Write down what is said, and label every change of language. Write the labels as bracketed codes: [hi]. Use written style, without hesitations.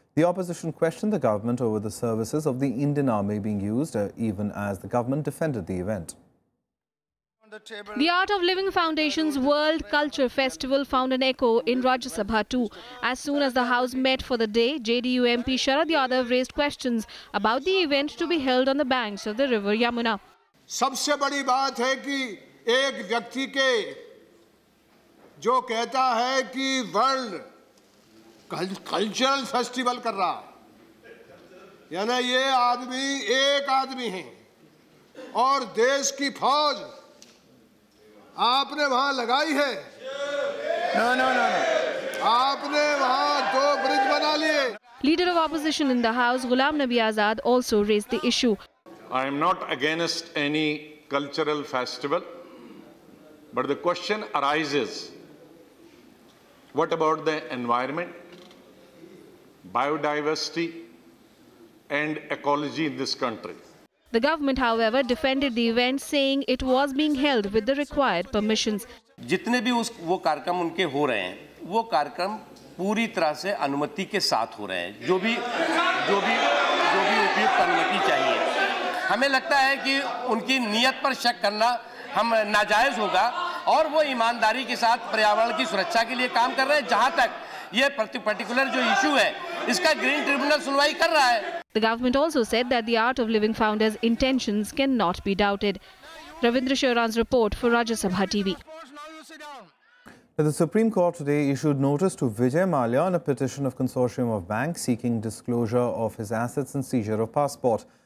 [en] The opposition questioned the government over the services of the Indian Army being used, even as the government defended the event. The Art of Living Foundation's World Culture Festival found an echo in Rajya Sabha too. As soon as the House met for the day, JDU MP Sharad Yadav raised questions about the event to be held on the banks of the river Yamuna. [hi] सबसे बड़ी बात है कि एक व्यक्ति के जो कहता है कि वर्ल्ड कल्चरल फेस्टिवल कर रहा, यानी ये आदमी एक आदमी है और देश की फौज आपने वहां लगाई है। [en] no no no, [hi] आपने वहां दो ब्रिज बना लिए। [en] Leader of opposition in the house Ghulam Nabi Azad also raised the issue. I am not against any cultural festival, but the question arises, what about the environment, biodiversity and ecology in this country. The government, however, defended the event, saying it was being held with the required permissions. [hi] जितने भी उस वो कार्यक्रम उनके हो रहे हैं, वो कार्यक्रम पूरी तरह से अनुमति के साथ हो रहे हैं। जो भी उपयुक्त अनुमति चाहिए। हमें लगता है कि उनकी नियत पर शक करना हम नाजायज होगा, और वो ईमानदारी के साथ पर्यावरण की सुरक्षा के लिए काम कर रहे हैं। जहाँ तक ये पर्टिकुलर जो इशू है, इसका ग्रीन ट्रिब्यूनल सुनवाई कर रहा है। [en] The government also said that the Art of Living Founders' intentions cannot be doubted. Ravindra Sharan's report for Rajya Sabha TV. The Supreme Court today issued notice to Vijay Mallya on a petition of consortium of banks seeking disclosure of his assets and seizure of passport.